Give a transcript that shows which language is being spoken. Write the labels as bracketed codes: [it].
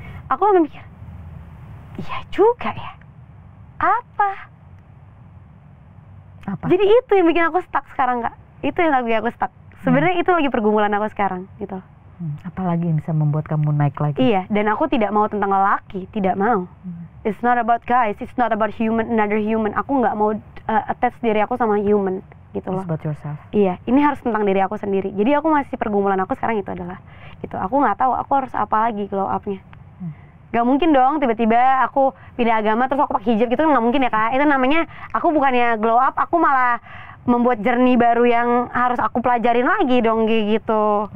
[id] Aku mikir, iya juga ya, apa? Apa? Jadi itu yang bikin aku stuck sekarang, Kak. Itu yang bikin aku stuck. Sebenarnya itu lagi pergumulan aku sekarang, gitu. Apalagi yang bisa membuat kamu naik lagi? Iya, dan aku tidak mau tentang lelaki, tidak mau. [en] It's not about guys, it's not about human, another human. [id] Aku nggak mau attach diri aku sama human, gitu loh. [en] It's about yourself. [id] Iya, ini harus tentang diri aku sendiri. Jadi aku masih pergumulan aku sekarang itu adalah, gitu. Aku nggak tahu, aku harus apa lagi glow up-nya. Gak mungkin dong tiba-tiba aku pindah agama terus aku pakai hijab gitu, gak mungkin ya, Kak. Itu namanya aku bukannya glow up, aku malah membuat journey baru yang harus aku pelajarin lagi dong gitu.